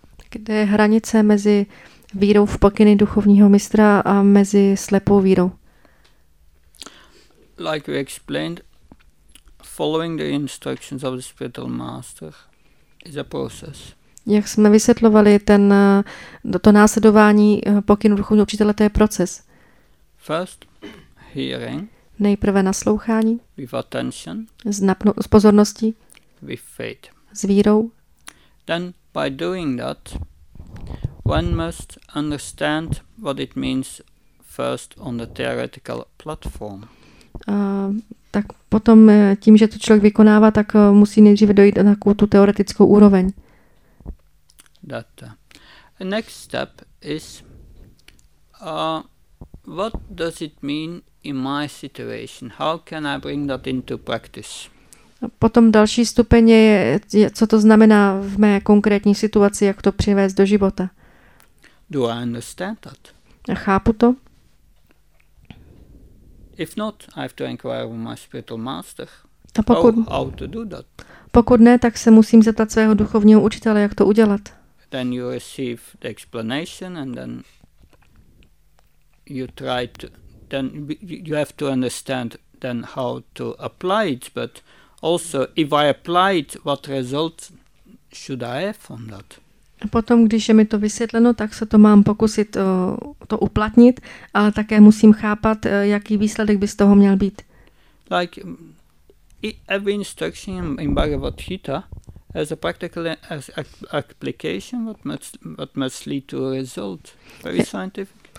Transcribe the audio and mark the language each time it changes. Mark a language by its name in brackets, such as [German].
[Czech] Kde je hranice mezi vírou v pokyny duchovního mistra a mezi slepou vírou? [English] Like we explained, following the instructions of the spiritual master is a process. [Czech] Jak jsme vysvětlovali, to následování pokynu duchovního učitele, to je proces. [English] First, hearing. [Czech] Nejprve naslouchání. [English] With attention. [Czech] S pozorností. [English] With faith. [Czech] S vírou. [English] Then, by doing that, one must understand what it means first on the theoretical platform. [Czech] Tak potom tím, že to člověk vykonává, tak musí nejdříve dojít na takovou tu teoretickou úroveň. [English] The next step is what does it mean in my situation? How can I bring that into practice? [Czech] Potom další stupeň je, co to znamená v mé konkrétní situaci, jak to přivést do života. [English] Do I understand that? [Czech] Chápu to? [English] If not, I have to inquire with my spiritual master. [Czech] A pokud, [English] how to do that? [Czech] Pokud ne, tak se musím zeptat svého duchovního učitele, jak to udělat. [English] Then you receive the explanation and then you try to, then you have to understand then how to apply it, but also if I apply it, what result should I have from that? [Czech] A potom, když je mi to vysvětleno, tak se to mám pokusit to uplatnit, ale také musím chápat, jaký výsledek by z toho měl být. [English] Like every instruction in Bhagavad Gita as a practical application what must lead to a result, very scientific.